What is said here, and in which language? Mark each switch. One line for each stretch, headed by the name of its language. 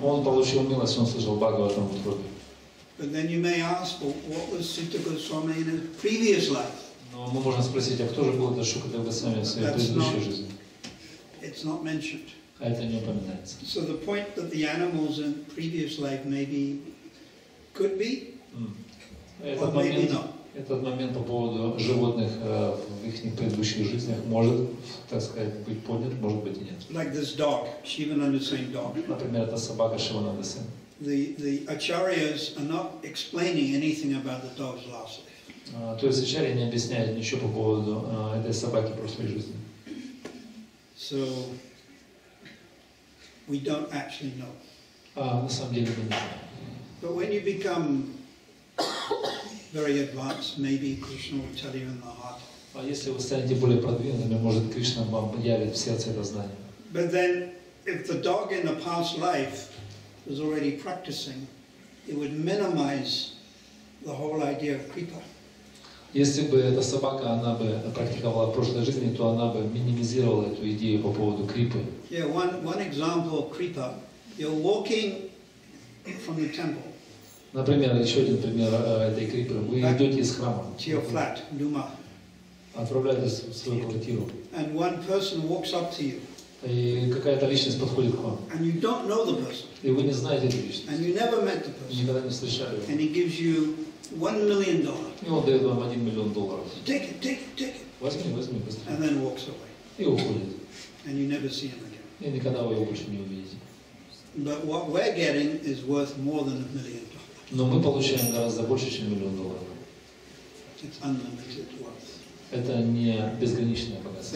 English: him.
Russian: Он получил милость, он слышал Бхагаватам в утробе.
English: But then you may ask, well, what was Sutta Goswami in his previous life?
Russian: Но мы можем спросить, а кто же был этот Шукадев Госвами в своей предыдущей жизни?
English: It's not mentioned.
Russian: Это не упоминается.
English: So the point that the animals in previous life maybe could be, or maybe not.
Russian: Этот момент по поводу животных в их предыдущих жизнях может, так сказать, быть поднят, может быть и нет.
English: Like this dog, Shivananda Singh dog.
Russian: Например, эта собака Шивананда Сен.
English: The acharyas are not explaining anything about the dog's last life.
Russian: То есть ачарьи не объясняют ничего по поводу этой собаки прошлой жизни.
English: So we don't actually know.
Russian: На самом деле мы не знаем.
English: But when you become very advanced, maybe Krishna will tell you in the heart.
Russian: А если вы станете более продвинутыми, может Кришна вам явит в сердце это знание.
English: But then, if the dog in the past life was already practicing, it would minimize the whole idea of kripa.
Russian: Если бы эта собака, она бы практиковала в прошлой жизни, то она бы минимизировала эту идею по поводу крипы.
English: Yeah, one example of kripa. You're walking from the temple.
Russian: Например, еще один пример этой крипы. Вы
English: back
Russian: идете из храма.
English: To your flat, Numa.
Russian: Отправляетесь в свою квартиру.
English: And one person walks up to you.
Russian: И какая-то личность подходит к вам.
English: And you don't know the person.
Russian: И вы не знаете эту личность.
English: And you never met the person.
Russian: Никогда не встречали.
English: And he gives you $1 million.
Russian: И он дает вам $1 million.
English: Take it, take it, take it.
Russian: Возьми, быстро.
English: And then walks away.
Russian: И уходит.
English: And you never see him again.
Russian: И никогда вы его больше не увидите.
English: But what we're getting is worth more than $1 million.
Russian: Но мы получаем гораздо больше, чем $1 million.
English: It's unlimited wealth.
Russian: Это не безграничное богатство.